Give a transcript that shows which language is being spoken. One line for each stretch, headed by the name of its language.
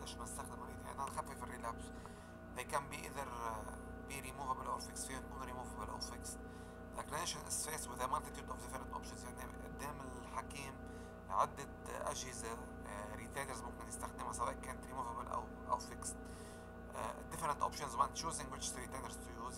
Arabic: ليش ما استخدم ريد هاند؟ هتخفف الريلابس.
English: they can be either be removable or fixed.
Arabic: فيهم يكون removable او fixed.
English: the clinician is faced with a multitude of different options.
Arabic: يعني قدام الحكيم عدة أجهزة ريتايترز ممكن يستخدمها سواء كانت ريموفابل أو فيكست.
English: different options when choosing which retainers to use.